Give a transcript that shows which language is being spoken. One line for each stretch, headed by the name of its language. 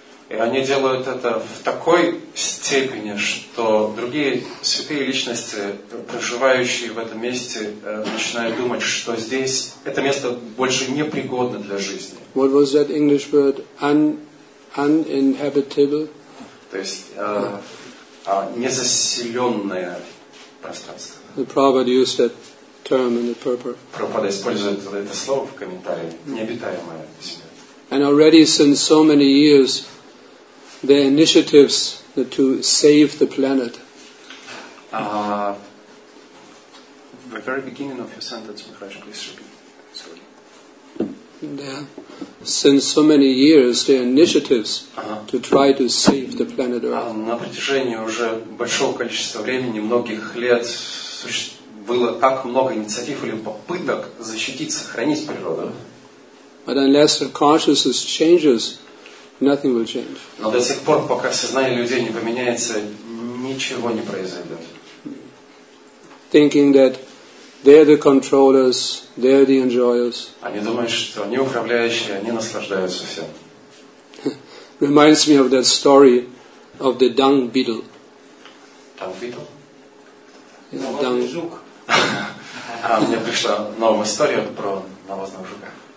Russian: И они делают это в такой степени, что другие святые личности, проживающие в этом месте, начинают думать, что здесь это место больше не пригодно для жизни.
English: What was that English word? Uninhabitable?
Russian: То есть незаселенное пространство.
English: The Prabhupada used that term in the purport.
Russian: Прабхупада использует это слово в комментарии. Необитаемое место.
English: And already since so many years the initiatives to save the planet. The very beginning of your sentence, Maharaj, please repeat. Sorry. There, since so many years, the initiatives to try to save the planet Earth.
Russian: На протяжении уже большого количества времени, многих лет, было так много инициатив или попыток защитить, сохранить природу.
English: But unless the consciousness changes, nothing will change.
Russian: Но до тех пор, пока сознание людей не поменяется, ничего не произойдет.
English: Thinking that they're the controllers, they're the enjoyers.
Russian: Они думают, что они управляющие, они наслаждаются всем.
English: Reminds me of that story of the dung beetle. Dung beetle?
Russian: Навозный жук. А мне пришла новая история про навозного жука.